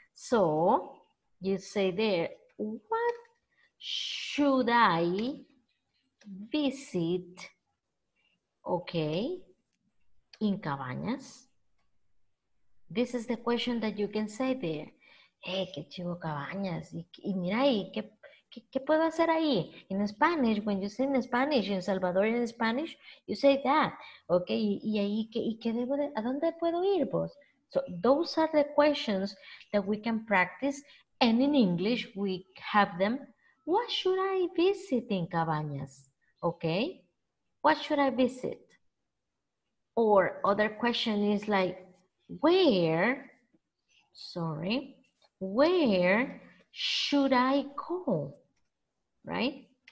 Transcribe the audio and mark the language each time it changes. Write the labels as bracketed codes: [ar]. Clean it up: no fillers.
[en] So you say there, what should I visit, okay, in Cabañas? This is the question that you can say there. Hey, [es] qué chivo [en] Cabañas. [es] Y mira ahí, ¿qué puedo hacer ahí? [en] In Spanish, when you say in Spanish, in Salvadorian Spanish, you say that. [es] Okay, y ahí, ¿qué debo de, a dónde puedo ir vos? [en] So those are the questions that we can practice. And in English, we have them. What should I visit in Cabañas? Okay, what should I visit? Or other question is like, where should I go, right?